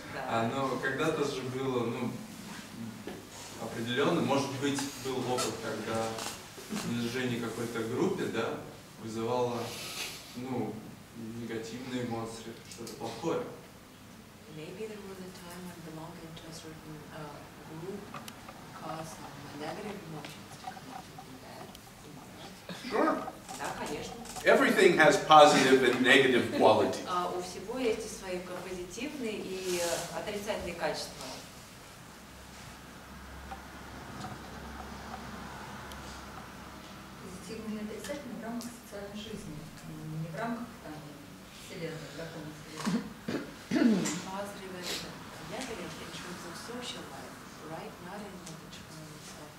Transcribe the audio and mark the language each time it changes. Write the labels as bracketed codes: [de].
[ru] Но когда-то же было, ну, определенно, может быть, был опыт, когда снижение какой-то группе, да, вызывало, ну, негативные эмоции, что-то плохое. [en] Maybe there was a time when belonging to a certain group caused some negative emotions to come up in bed. Sure. [ru] Да, конечно. [en] Everything has positive and negative quality. [ru] У всего есть и свои позитивные и отрицательные качества. Позитивные и отрицательные в рамках социальной жизни, не в рамках там вселенной, какого-то вселенной. [en] Positive and negative in terms of social life, right? Not in terms of universe.